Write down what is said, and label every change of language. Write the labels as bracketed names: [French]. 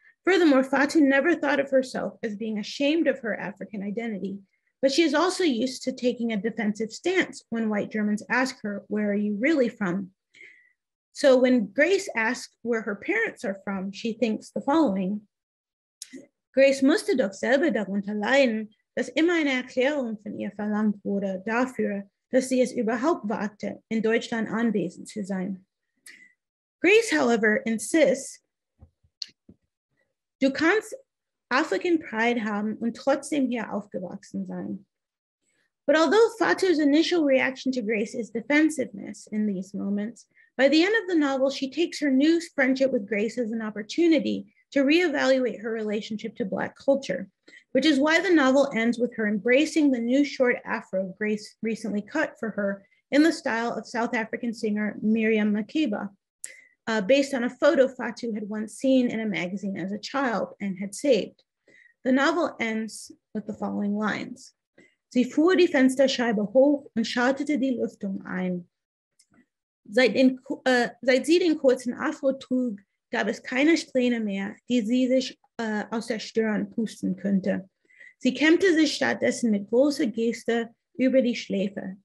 [English] Furthermore, Fatu never thought of herself as being ashamed of her African identity, but she is also used to taking a defensive stance when white Germans ask her, where are you really from? So when Grace asks where her parents are from, she thinks the following, [German] Grace musste doch selber darunter leiden, dass immer eine Erklärung von ihr verlangt wurde dafür, dass sie es überhaupt wagte, in Deutschland anwesend zu sein. Grace, [English] however, insists, [German] du kannst African Pride haben und trotzdem hier aufgewachsen sein. [English] But although Fatou's initial reaction to Grace is defensiveness in these moments, by the end of the novel, she takes her new friendship with Grace as an opportunity to reevaluate her relationship to Black culture, which is why the novel ends with her embracing the new short afro Grace recently cut for her in the style of South African singer Miriam Makeba, based on a photo Fatou had once seen in a magazine as a child and had saved. The novel ends with the following lines. [German] Sie fuhr die Fensterscheibe hoch und schaltete die Lüftung ein. Seit sie den kurzen Afro trug, gab es keine Strähne mehr, die sie sich aus der Stirn pusten könnte. Sie kämmte sich stattdessen mit großer Geste über die Schläfe.